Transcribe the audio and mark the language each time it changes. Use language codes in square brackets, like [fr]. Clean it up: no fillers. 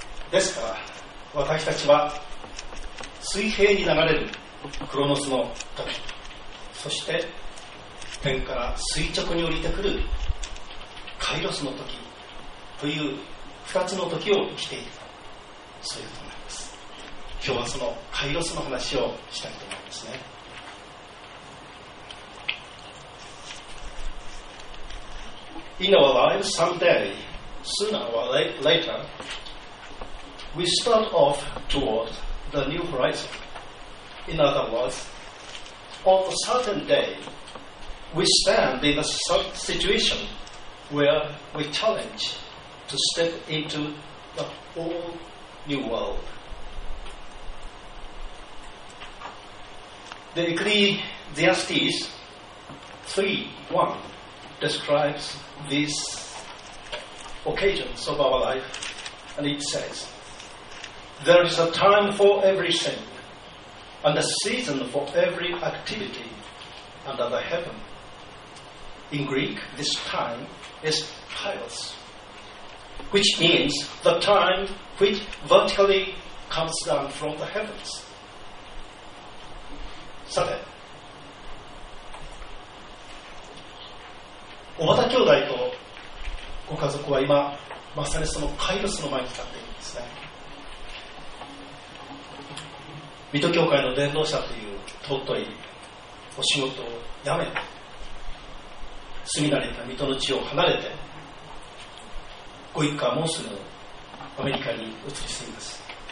[ja] ですから私たちは水平に流れるクロノスの時、そして天から垂直に降りてくるカイロスの時という二つの時を生きている、そういうことになります。今日はそのカイロスの話をしたいと思いますね。 [en] In our lives, someday, sooner or later, we start off toward the new horizon. In other words, on a certain day, we stand in a situation where we challenge to step into the whole new world. The Ecclesiastes 3:1describes these occasions of our life, and it says, "There is a time for everything, and a season for every activity under the heaven." In Greek, this time is kairos, which means the time which vertically comes down from the heavens. [ja] さて、おばた兄弟とご家族は今まさにそのカイロスの前に立っているんですね。水戸教会の伝道者という尊いお仕事を辞めて、住み慣れた水戸の地を離れてご一家はもうすぐアメリカに移り住みます。